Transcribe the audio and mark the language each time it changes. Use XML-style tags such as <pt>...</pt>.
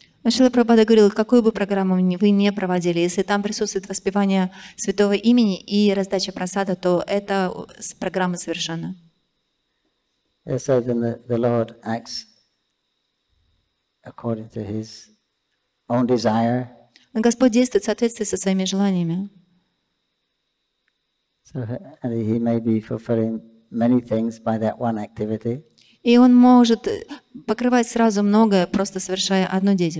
<ru>Шрила Прабхупада говорил, какую бы программу вы ни проводили, если там присутствует воспевание святого имени и раздача просада, то это программа совершена.</ru> <en>Yes, so then the Lord acts according to his own desire.</en> <ru>Господь действует в соответствии со своими желаниями.</ru> <en>So he may be fulfilling many things by that one activity.</en> <ru>И он может покрывать сразу многое, просто совершая одну</ru>